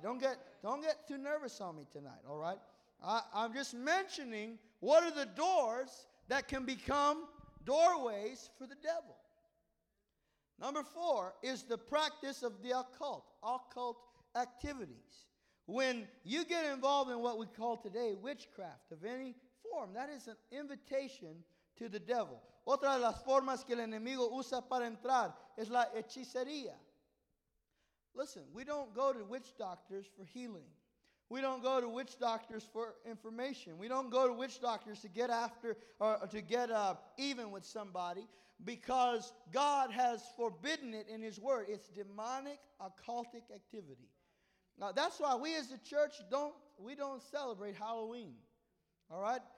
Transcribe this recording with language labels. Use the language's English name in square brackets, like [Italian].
[English] Don't get too nervous on me tonight, all right? I'm just mentioning what are the doors that can become doorways for the devil. Number four is the practice of the occult activities. When you get involved in what we call today witchcraft of any form, that is an invitation to the devil. [Spanish] Otra de las formas que el enemigo usa para entrar es la hechicería. [English] Listen, we don't go to witch doctors for healing. We don't go to witch doctors for information. We don't go to witch doctors to get after or to get even with somebody, because God has forbidden it in his word. It's demonic occultic activity. Now, that's why we as a church don't celebrate Halloween, all right?